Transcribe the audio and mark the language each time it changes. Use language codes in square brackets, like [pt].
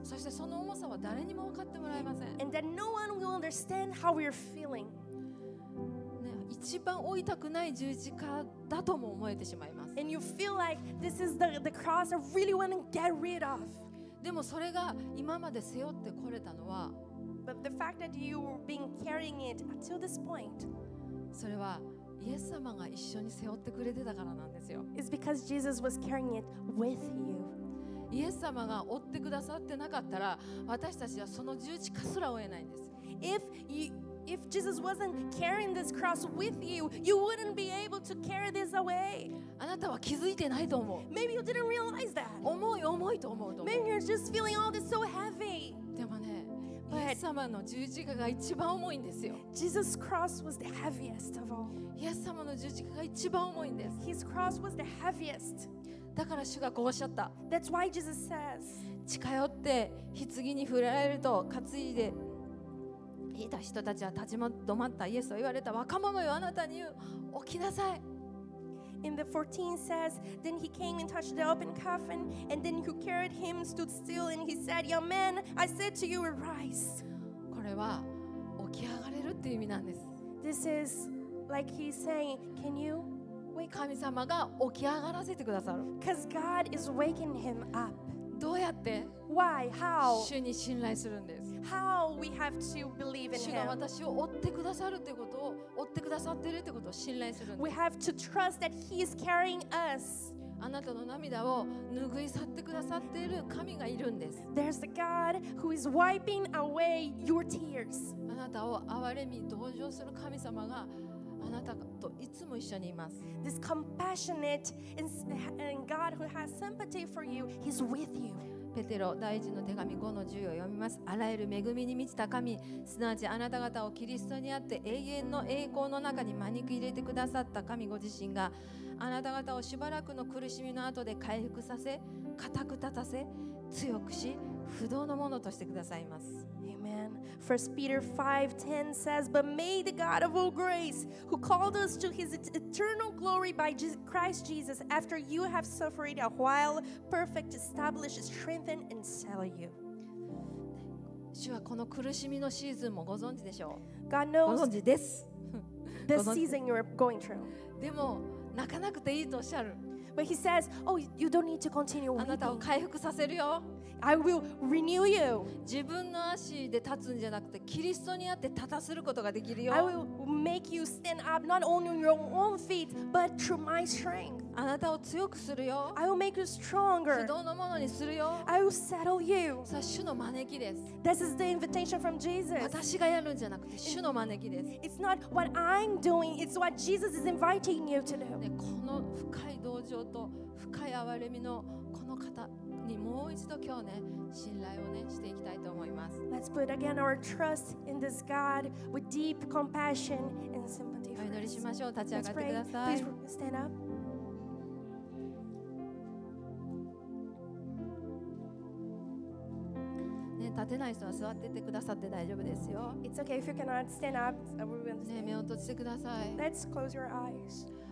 [ja] そしてその重さは誰にも分かってもらえません。 [en] And that no one will understand how we're feeling. [ja] ね、一番負いたくない十字架だとも思えてしまいます。 [en] And you feel like this is the cross I really want to get rid of. [ja] でもそれが今まで背負ってこれたのは。 [en] But the fact that you were being carrying it until this point, [ja] それはイエス様が一緒に背負ってくれてたからなんですよ。 [en] It's because Jesus was carrying it with you. [ja] イエス様が追ってくださってなかったら、私たちはその十字架すら追えないんです。 [en] If Jesus wasn't carrying this cross with you, you wouldn't be able to carry this away. [ja] あなたは気づいてないと思う。 [en] Maybe you didn't realize that. [ja] 重い重いと思うと思う。 [en] Maybe you're just feeling all this so heavy. [ja] でもね。イエス様の十字架が一番重いんですよ。 [en] Jesus' cross was the heaviest of all. [ja] イエス様の十字架が一番重いんです。 [en] His cross was the heaviest. [ja] だから主がこうおっしゃった。 [en] That's why Jesus says. [ja] 近寄って棺に触れられると担いでいた人たちは立ち止まったイエスを言われた若者よあなたに言う起きなさい。 [en] In the 14 says, Then he came and touched the open coffin, and then who carried him stood still, and he said, Young man, I said to you, arise. [ja] これは起き上がれるっていう意味なんです。 [en] This is like he's saying, Can you [ja] に神様が起き上がらせてくださる。 [en] Because God is waking him up. [ja] どうやって？ [en] Why? How? [ja] 主に信頼するんです。 [en] How we have to believe in him. [ja] 主が私を追ってくださるってことを、追ってくださってるってことを信頼するんです。 [en] We have to trust that he is carrying us. [ja] あなたの涙を拭い去ってくださっている神がいるんです。 [en] There's a God who is wiping away your tears. [ja] あなたを憐れみ同情する神様があなたといつも一緒にいます。 [en] This compassionate and God who has sympathy for you, He's with you. [ja] ペテロ第一の手紙5の10を読みます。あらゆる恵みに満ちた神、すなわちあなた方をキリストにあって永遠の栄光の中に招き入れてくださった神ご自身が、あなた方をしばらくの苦しみの後で回復させ、固く立たせ、強くし、不動のものとしてくださいます。 [en] Amen. 1 Peter 5:10 says, But may the God of all grace, who called us to his eternal glory by Christ Jesus, after you have suffered a while, perfect, establish, strengthen, and settle you. [ja] 主はこの苦しみのシーズンもご存知でしょう。 [en] God knows [ja] ご存知です。 [en] This season you're going through. [ja] でも泣かなくていいとおっしゃる。 [en] But he says, "Oh, you don't need to continue weeping." [ja] あなたを回復させるよ。 [en] I will renew you. [ja] 自分の足で立つんじゃなくて、キリストにあって立たせることができるよ。 [en] I will make you stand up not only on your own feet, but through my strength. [ja] あなたを強くするよ。 [en] I will make you stronger. [ja] 不動のものにするよ。 [en] I will settle you. [ja] それは主の招きです。 [en] This is the invitation from Jesus. [ja] 私がやるんじゃなくて、主の招きです。 [en] It's not what I'm doing. It's what Jesus is inviting you to do. [ja] ね、この深い同情と深い憐れみのこの方。もう一度今日ね、信頼をねしていきたいと思います。 [en] Let's put again our trust in this God with deep compassion and sympathy. [ja] お祈りしましょう。立ち上がってください。 [en] Let's pray. Please stand up. [ja] 立てない人は座っててくださって大丈夫ですよ。 [en] It's okay if you cannot stand up. We will stand. [ja] ね、目を閉じてください。 [en] Let's close your eyes.